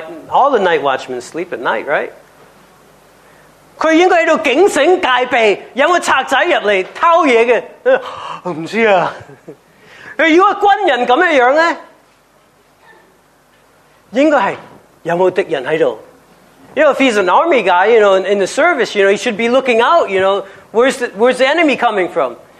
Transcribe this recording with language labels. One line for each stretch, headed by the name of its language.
English: all the night watchmen sleep at night, right?
Chinese: 他應該在警醒戒備,有沒有賊仔進來偷東西的? 不知道啊。如果軍人這樣呢? 應該是,有沒有敵人在這裡?
English: You know, if he's an army guy, you know, in the service, you know, he should be looking out, you know, where's the enemy coming from?